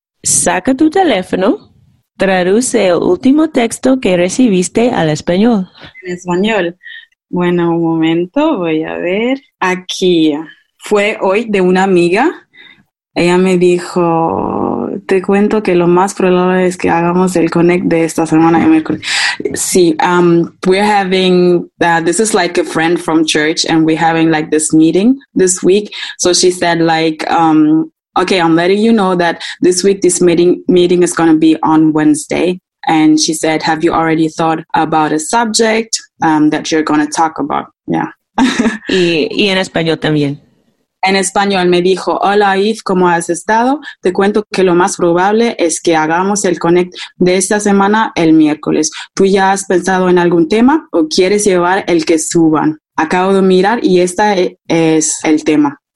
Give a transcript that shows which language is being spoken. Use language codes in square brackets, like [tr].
[es] Saca tu teléfono, traduce el último texto que recibiste al español. En español. Bueno, un momento, voy a ver. Aquí. Fue hoy de una amiga. Ella me dijo, te cuento que lo más probable es que hagamos el connect de esta semana de miércoles. Sí, [en] we're having, this is like a friend from church and we're having like this meeting this week. So she said like, okay, I'm letting you know that this week this meeting is going to be on Wednesday. And she said, have you already thought about a subject that you're going to talk about? Yeah. [es] Y en español también. En español me dijo, hola Yves, ¿cómo has estado? Te cuento que lo más probable es que hagamos el connect de esta semana el miércoles. ¿Tú ya has pensado en algún tema o quieres llevar el que suban? Acabo de mirar y este es el tema.